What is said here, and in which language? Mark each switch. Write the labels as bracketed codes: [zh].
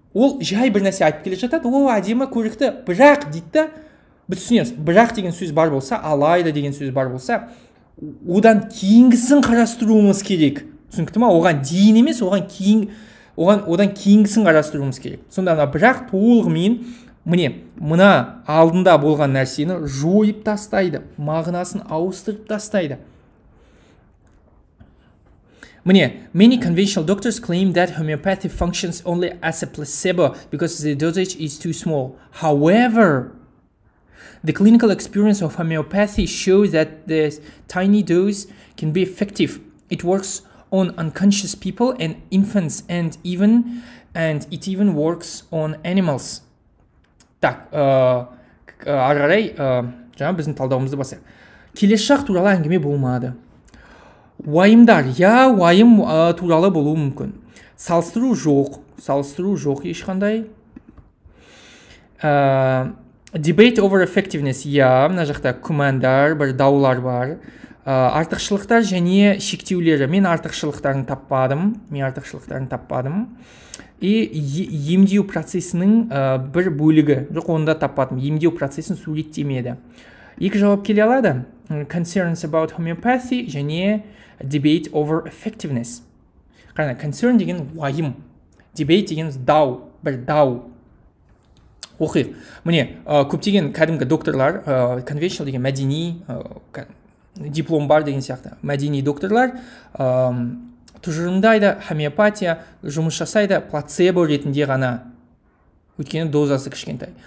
[kk] ол жай бір нәрсе айтып келе жатады, о, әдемі, көрікті, бірақ дейді да, біз түсінеміз, бірақ деген сөз бар болса, алайда деген сөз бар болса, одан кейінгісін қарастыруымыз керек. Түсінікті ма? Оған дейін емес, одан кейінгісін қарастыруымыз керек. Сонда ана бірақ толығымен міне, мына алдында болған нәрсені жойып тастайды, мағынасын ауыстырып тастайды. [en] Міне, many conventional doctors claim that homeopathy functions only as a placebo because the dosage is too small. However, the clinical experience of homeopathy shows that the tiny dose can be effective. It works on unconscious people and infants, and it even works on animals. [kk] Так, арарай, жаңа біздің талдауымызды басайық. Келесі шақ туралы әңгіме болмады. Уайымдар, я уайым туралы болуы мүмкін. Салыстыру жоқ ешқандай. [en] Debate over effectiveness. [kk] Я, мына жақта күмәндар, бір даулар бар. Артықшылықтар және шектеулері. Мен артықшылықтарын таппадым. И емдеу процесінің бір бөлігі. Жоқ, онда таппадым. Емдеу процесін суреттемеді. Екі жауап келе алады. [en] Concerns about homeopathy [kk] және [en] debate over effectiveness. [kk] Қарана, concern деген уайым. Debate деген дау, бір дау. Оқи, міне, көптеген кәдімгі докторлар, conventional деген мәдени, диплом бар деген сияқты, мәдени докторлар, тұжырымдайды, хомеопатия, жұмыс жасайды, плацебо ретінде ғана, өйткені дозасы кішкентай.